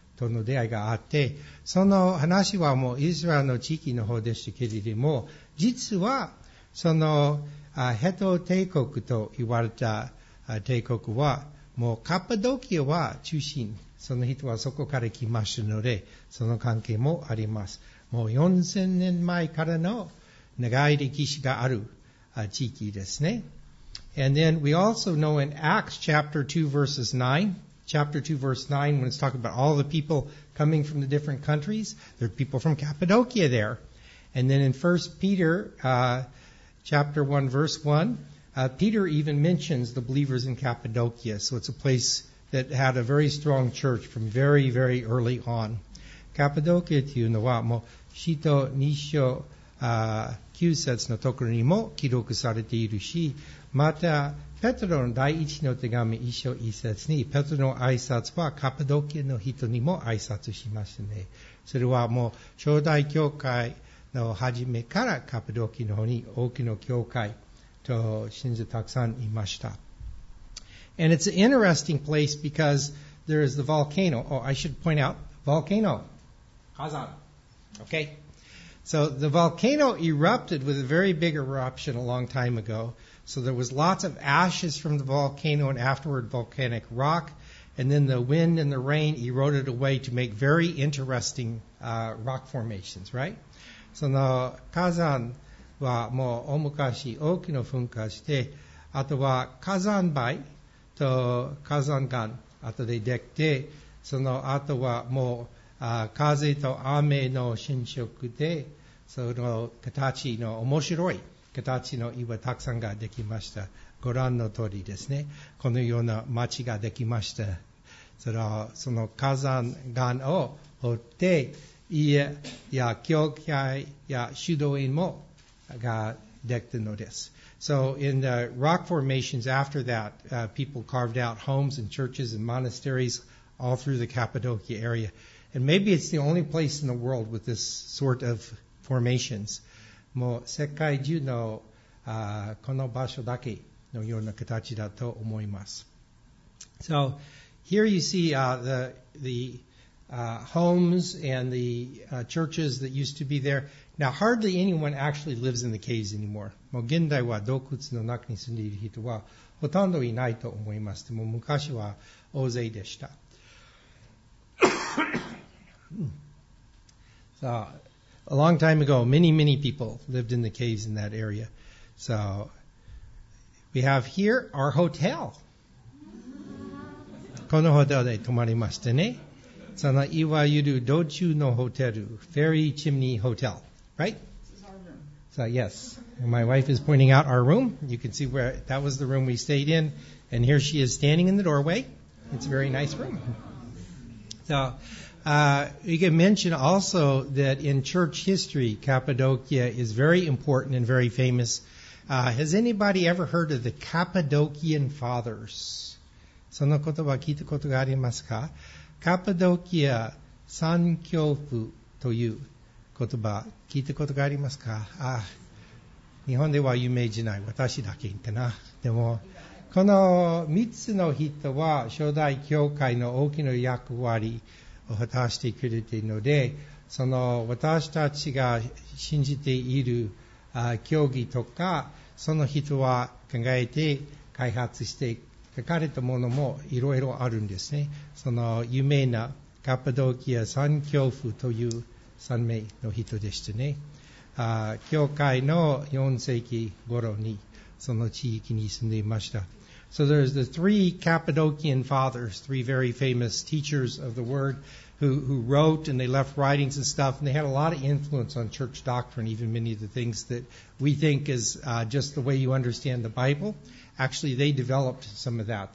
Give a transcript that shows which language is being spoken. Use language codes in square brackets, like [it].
[ja] との出会いがあって、その話はもうイスラエルの地域の方でしたけれども、実はそのヘト帝国と言われた帝国はもうカッパドキアは中心、その人はそこから来ましたので、その関係もあります。もう4000年前からの長い歴史がある地域ですね。 [en] And then we also know in Acts chapter 2 verses 9, chapter 2 verse 9, when it's talking about all the people coming from the different countries, there are people from Cappadocia there. And then in 1 Peter chapter 1 verse 1, Peter even mentions the believers in Cappadocia. So it's a place that had a very strong church from very, very early on. [ja] Cappadocia というのはもう使徒2章9節のところにも記録されているし、またペトロの第一の手紙1章1節にペトロの挨拶はカッパドキアの人にも挨拶しましたね。それはもう初代教会の初めからカッパドキアの方に多くの教会と信者たくさんいました。 [en] And it's an interesting place because there is the volcano. Oh, I should point out volcano. [ja] 火山。 [en] Okay. So the volcano erupted with a very big eruption a long time ago. So there was lots of ashes from the volcano and afterward volcanic rock. And then the wind and the rain eroded away to make very interesting rock formations, right? So the [ja] 火山はもう大昔大きな噴火して、あとは火山灰と火山岩、あとでできて、そのあとはもう風と雨の侵食で、その形の面白い形の岩たくさんができました。ご覧の通りですね。このような町ができました。その火山岩を掘って、家や教会や修道院もができたのです。 [en] So in the rock formations after that, people carved out homes and churches and monasteries all through the Cappadocia area. And maybe it's the only place in the world with this sort of formations. [ja] もう世界中のこの場所だけのような形だと思います。 [en] So here you see the homes and the churches that used to be there. Now hardly anyone actually lives in the caves anymore. [ja] もう現代は洞窟の中に住んでいる人はほとんどいないと思います。でも昔は大勢でした。 [en] So, a long time ago, many, many people lived in the caves in that area. So, we have here our hotel. [ja] このホテルで泊まりましたね。そのいわゆる道中のホテル、フェリーチムニーホテル、right? [en] This is our room. So, yes. My wife is pointing out our room. You can see where that was the room we stayed in. And here she is standing in the doorway. It's a very nice room. So,you can mention also that in church history, Cappadocia is very important and very famous. Has anybody ever heard of the Cappadocian Fathers? [ja] その言葉聞いたことがありますか?Cappadocia 三教父という言葉聞いたことがありますか? 日本では有名じゃない。私だけってな。でも、この三つの人は初代教会の大きな役割果たしてくれているので、その私たちが信じている教義とか、その人は考えて開発して書かれたものもいろいろあるんですね。その有名なカッパドキア三教父という3名の人でしたね。教会の4世紀頃にその地域に住んでいました。 [en] So there's the three Cappadocian fathers, three very famous teachers of the word who wrote and they left writings and stuff, and they had a lot of influence on church doctrine. Even many of the things that we think is just the way you understand the Bible, actually they developed some of that.